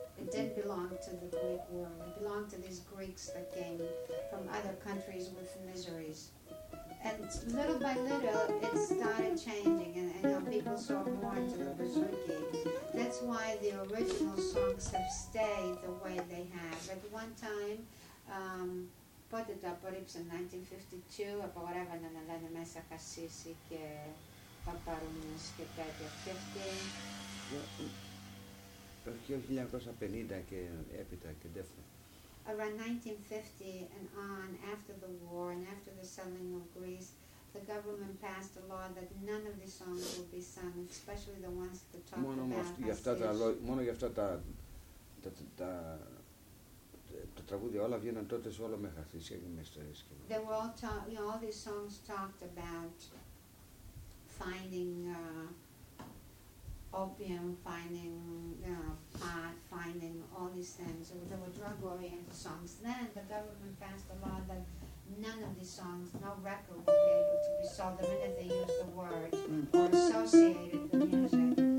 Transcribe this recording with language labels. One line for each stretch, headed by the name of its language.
English: It didn't belong to the Greek world. It belonged to these Greeks that came from other countries with miseries. And little by little, it started changing, and you know, people saw more into the bouzouki. That's why the original songs have stayed the way they have. At one time,
Greek: πότε το απορρίψαν, 1952, απαγορεύαν να λένε μέσα χασίσι και παπαρούνες και τέτοια. Το 1950 και έπειτα και τέτοια.
English: Around 1950 and on, after the war and after the selling of Greece, the government passed a law that none of these songs will be sung, especially the ones that talk
Greek: μόνο
English: about Hasidic.
Greek: Μόνο για αυτά τα τραγούδια όλα βγαίναν τότε σε όλο με Χασίσια και με ιστορίες.
English: They were all talk, you know, all these songs talked about finding opium, finding pot, finding all these things. There were drug-oriented songs. Then the government passed a law that none of these songs, no record would be able to be sold the minute they used the word or associated the music.